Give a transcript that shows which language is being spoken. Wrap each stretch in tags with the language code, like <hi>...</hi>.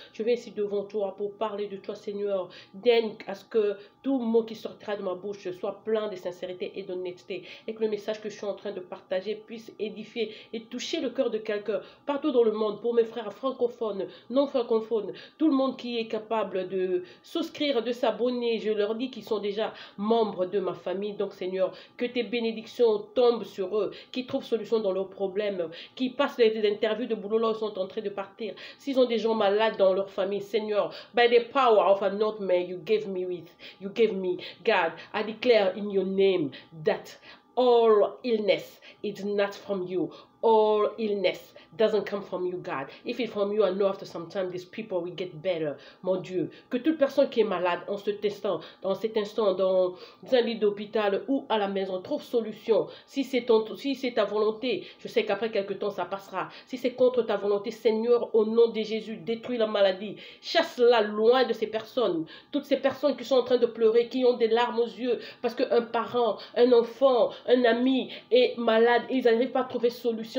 <fr>Je viens ici devant toi pour parler de toi, Seigneur. À ce que tout mot qui sortira de ma bouche soit plein de sincérité et d'honnêteté, et que le message que je suis en train de partager puisse édifier et toucher le cœur de quelqu'un partout dans le monde, pour mes frères francophones, non francophones, tout le monde qui est capable de souscrire, de s'abonner. Je leur dis qu'ils sont déjà membres de ma famille. Donc, Seigneur, que tes bénédictions tombent sur eux, qu'ils trouvent solution dans leurs problèmes, qu'ils passent les interviews de boulot là où ils sont en train de partir. S'ils ont des gens malades dans leur famille, Seigneur,</fr> <en>by the power of a not man, you gave me, God, I declare in your name that all illness is not from you. All illness doesn't come from you, God. If it's from you, I know after some time these people will get better.</en> <fr>Mon Dieu, que toute personne qui est malade en ce testant, dans cet instant, dans un lit d'hôpital ou à la maison, trouve solution. Si c'est ta volonté, je sais qu'après quelques temps, ça passera. Si c'est contre ta volonté, Seigneur, au nom de Jésus, détruis la maladie. Chasse-la loin de ces personnes. Toutes ces personnes qui sont en train de pleurer, qui ont des larmes aux yeux parce qu'un parent, un enfant, un ami est malade et ils n'arrivent pas à trouver solution.</fr>